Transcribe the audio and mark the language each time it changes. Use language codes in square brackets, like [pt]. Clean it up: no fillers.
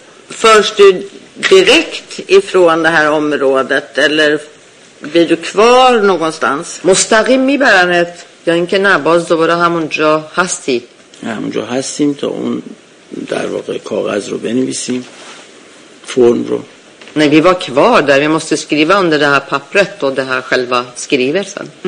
[sv] Förs du direkt ifrån det här området eller blir du kvar någonstans? [fa] مستقیم میبرنت یا اینکه نه باز دوباره همونجا هستی؟ همونجا هستیم تا اون در واقع کاغذ رو بنویسیم. Form rå. [sv] Nej, vi var kvar där. Vi måste skriva under det här pappret och det här själva skrivelsen.